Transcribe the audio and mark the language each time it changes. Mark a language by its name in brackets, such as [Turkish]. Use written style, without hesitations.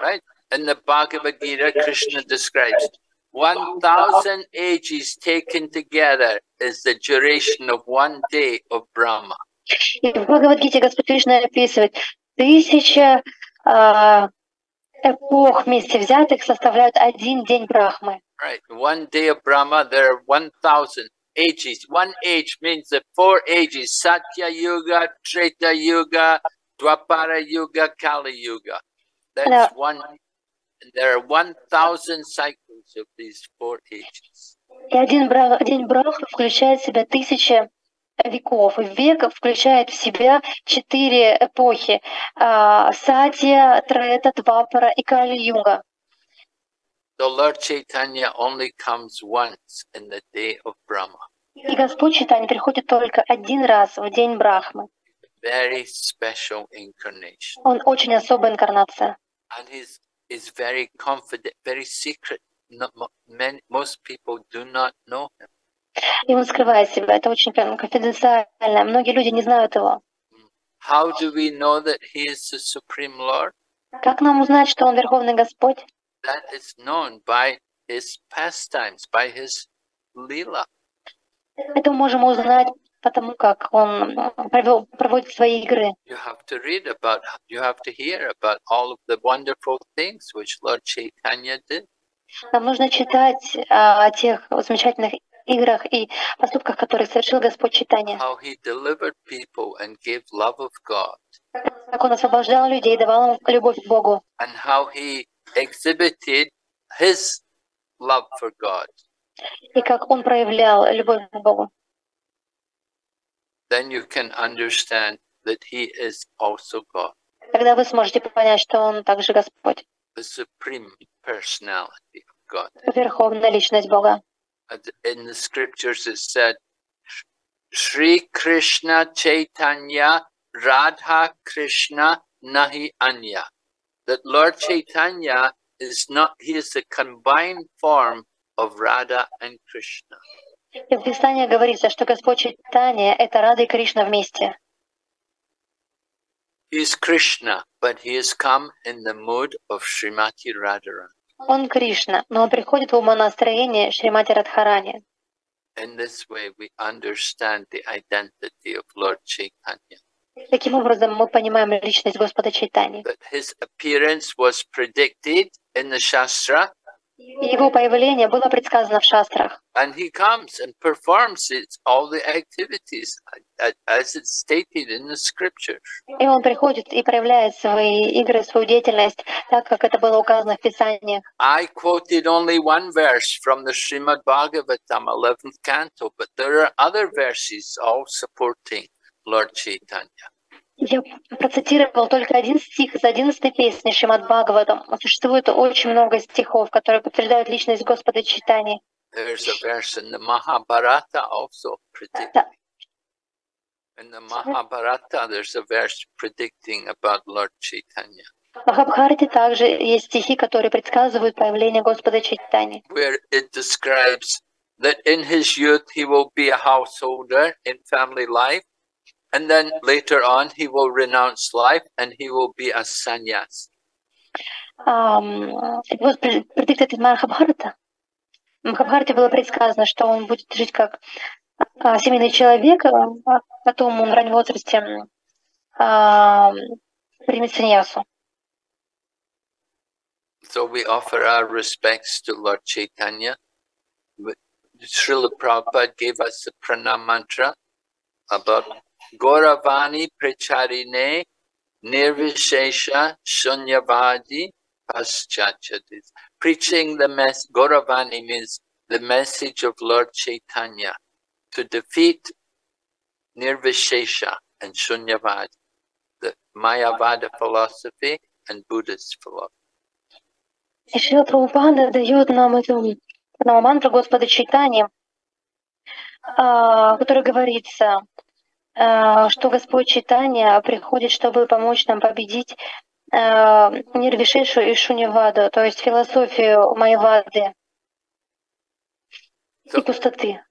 [English] Right? In the Bhagavad Gita, Krishna describes 1,000 ages taken together is the duration of one day of Brahma. [Russian] И в Бхагавад-гите Господь Кришна описывает, 1000 эпох вместе взятых составляют один день Брахмы. [English] Right, one day of Brahma, there are 1,000 ages. One age means the four ages, Satya-юга, Трета-юга, Двапара-юга, Кали-юга. That's one, there are 1,000 cycles of these four ages. [Russian] И один день Брахмы включает в себя 1000 веков, и век включает в себя 4 эпохи: Сатья, Трета, Двапара и Кали-юга. [English] The Lord Chaitanya only comes once in the day of Brahma. [Russian] И Господь Чайтанья приходит только один раз в день Брахмы. [English] Very special incarnation. [Russian] Он очень особая инкарнация. [English] And he's very confident, very secret. Most people do not know him. [Russian] И он скрывает себя. Это очень конфиденциально. Многие люди не знают его. [English] How do we know that he is the Supreme Lord? [Russian] Как нам узнать, что он Верховный Господь? [English] That is known by his pastimes, by his lila. [Russian] Это мы можем узнать потому, как он проводит свои игры. [English] You have to read about, you have to hear about all of the wonderful things which Lord Chaitanya did. [Russian] Нам нужно читать о тех замечательных играх и поступках, которые совершил Господь Чайтанья. [English] How he delivered people and gave love of God. [Russian] Как он освобождал людей и давал им любовь к Богу. [English] And how he exhibited his love for God. [Russian] И как он проявлял любовь к Богу. [English] Then you can understand that he is also God. [Russian] Тогда вы сможете понять, что он также Господь. [English] The supreme personality of God. [Russian] Верховная личность Бога. [English] In the scriptures it said, [Bangla] Shri Krishna Chaitanya Radha Krishna Nahi Anya. [English] That Lord Chaitanya is not, he is the combined form of Radha and Krishna. [Russian] И в Писании говорится, что Господь Чайтанья — это Рада и Кришна вместе. [English] He is Krishna, but he has come in the mood of Shrimati Radharani. [Russian] Он Кришна, но он приходит в умонастроение Шримати Радхарани. [English] In this way we understand the identity of Lord Chaitanya. [Russian] Таким образом мы понимаем личность Господа Чайтаньи. [English] But his appearance was predicted in the Shastra. [Russian] Его появление было предсказано в шастрах. [English] And he comes and performs it, all the activities as it's stated in the scriptures. [Russian] И он приходит и проявляет свои игры, свою деятельность, так как это было указано в Писаниях. [English] I quoted only one verse from the Srimad Bhagavatam, 11th canto, but there are other verses all supporting Lord Chaitanya. [Russian] Я процитировал только один стих из 11-й песни Шримад Бхагаватам. Существует очень много стихов, которые подтверждают личность Господа Чайтаньи. [English] There's a verse in the Mahabharata also predicting. In the Mahabharata there's a verse predicting about Lord Chaitanya. [Russian] В Махабхарате также есть стихи, которые предсказывают появление Господа Чайтаньи. [English] Where it describes that in his youth he will be a householder in family life. And then later on he will renounce life and he will be a sannyas. It was predicted in Махабхарата. [Russian] В Махабхарате было предсказано, что он будет жить как семейный человек, а потом он в раннем возрасте примет сан-ясу. [English] So we offer our respects to Lord Chaitanya. Srila Prabhupada gave us the pranam mantra about [Sanskrit] Gauravani Pracharine Nirvishesha Shunyavadi Paschachadis. [English] Preaching the message, Gauravani means the message of Lord Chaitanya to defeat Nirvishesha and Shunyavadi, the Mayavada philosophy and Buddhist philosophy. [Russian] Шрила Прабхупада дает нам эту мантру Господа Чайтанья, в которой говорится, что Господь Чайтанья приходит, чтобы помочь нам победить Нирвишешу и Шуньяваду, то есть философию Майявады и пустоты.